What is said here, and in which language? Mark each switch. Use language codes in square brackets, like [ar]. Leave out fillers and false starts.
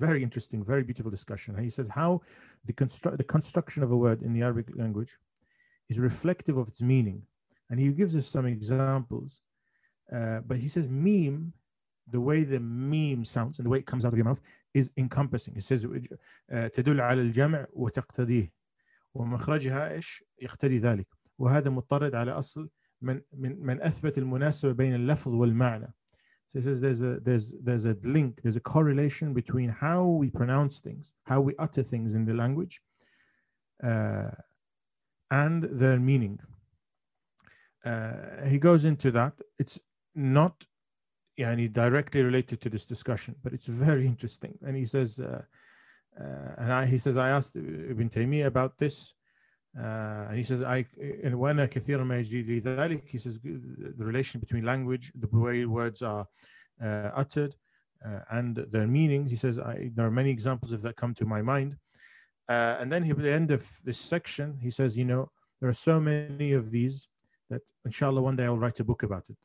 [en] Very interesting, very beautiful discussion. He says how the construction of a word in the Arabic language is reflective of its meaning. And he gives us some examples. But he says meme, the way the meme sounds and the way it comes out of your mouth is encompassing. It says [ar] تدل على الجمع وتقتديه ومخرجها إيش يقتدي ذلك وهذا مضطرد على أصل من أثبت المناسبة بين اللفظ والمعنى. [en] So he says there's a link, there's a correlation between how we pronounce things, how we utter things in the language, and their meaning. He goes into that. It's not يعني directly related to this discussion, but it's very interesting. And he says, I asked Ibn Taymiyyah about this. And he says, [ar] وَأَنَا كَثِيرًا مَا يَجْدِي لِذَلِكَ. [en] He says, the relation between language, the way words are uttered, and their meanings. He says, there are many examples of that come to my mind. And then at the end of this section, he says, you know, there are so many of these that inshallah one day I'll write a book about it.